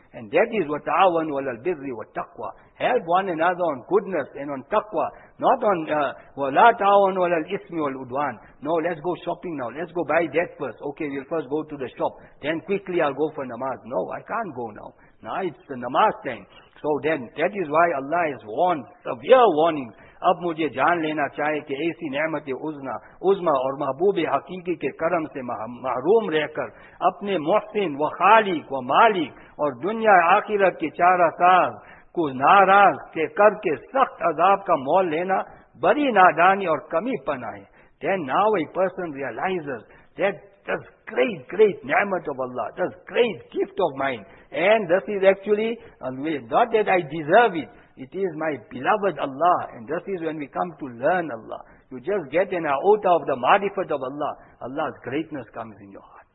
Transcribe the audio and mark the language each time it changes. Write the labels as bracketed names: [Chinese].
[English] And that is what [Arabic] ta'awun wal albirri wa taqwa. [English] Help one another on goodness and on taqwa. Not on [Arabic] wala ta'awun wal al-ismi wal udwan. [English] No, let's go shopping now. Let's go buy that first. Okay, we'll first go to the shop. Then quickly I'll go for namaz. No, I can't go now. Now it's the namaz time. So then, that is why Allah has warned, severe warning. [Urdu] اب مجھے جان لینا چاہے کہ ایسی نعمت عظمی اور محبوب حقیقی کے کرم سے محروم رہ کر اپنے محسن و خالق و مالک اور دنیا آخرت کے چارہ ساز کو ناراض کر کے سخت عذاب کا مول لینا بڑی نادانی اور کمی پناہ ہے. [English] Then now a person realizes that this great, great نعمت of Allah, this great gift of mine, and this is actually not that I deserve it. It is my beloved Allah, and this is when we come to learn Allah. You just get an iota of the marifat of Allah, Allah's greatness comes in your heart.